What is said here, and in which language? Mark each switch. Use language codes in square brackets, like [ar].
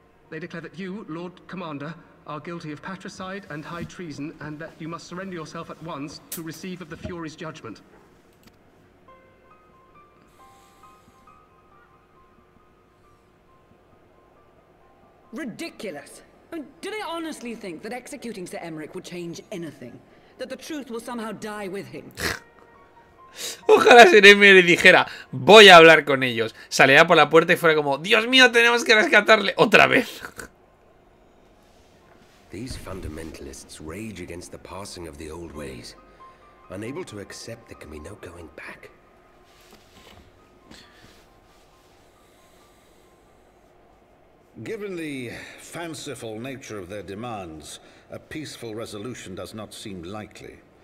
[en] They declare that you, Lord Commander, are guilty of patricide and high treason, and that you must surrender yourself at once to receive of the Fury's judgment. Ridiculous! I mean, do they honestly think that executing Sir Aymeric would change anything? That the truth will somehow die with him? [es] Ojalá Sir Aymeric dijera, voy a hablar con ellos. Saliera por la puerta y fuera como, Dios mío, tenemos que rescatarle otra vez. [en] These fundamentalists rage against the passing of the old ways, unable to accept there can be no going back. Given the fanciful nature of their demands, a peaceful resolution does not seem likely.